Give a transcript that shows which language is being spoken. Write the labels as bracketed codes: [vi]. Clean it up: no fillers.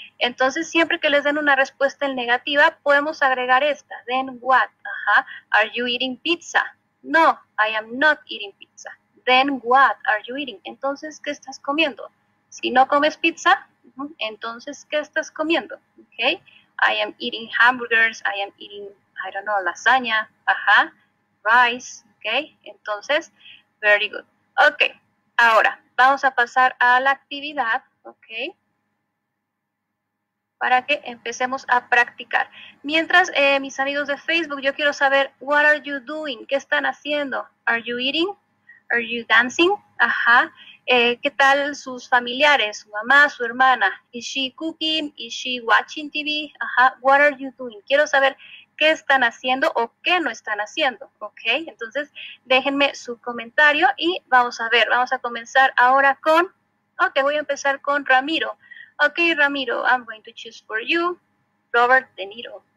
[es] Entonces, siempre que les den una respuesta en negativa, podemos agregar esta, [en] then what? [es] Ajá. [en] Are you eating pizza? No, I am not eating pizza. Then what are you eating? [es] Entonces, ¿qué estás comiendo? Si no comes pizza, entonces, ¿qué estás comiendo? [en] Okay. I am eating hamburgers, I am eating, I don't know, lasagna, ajá, rice, okay. [es] Entonces, [en] very good. [es] Okay, ahora, vamos a pasar a la actividad, okay, para que empecemos a practicar. Mientras, mis amigos de Facebook, yo quiero saber, [en] what are you doing? [es] ¿Qué están haciendo? [en] Are you eating? Are you dancing? Ajá. [es] ¿Qué tal sus familiares? Su mamá, su hermana. [en] Is she cooking? Is she watching TV? Ajá. What are you doing? [es] Quiero saber qué están haciendo o qué no están haciendo. Ok. Entonces, déjenme su comentario y vamos a ver. Vamos a comenzar ahora con... Ok, voy a empezar con Ramiro. [en] Ok, Ramiro, I'm going to choose for you, Robert De Niro.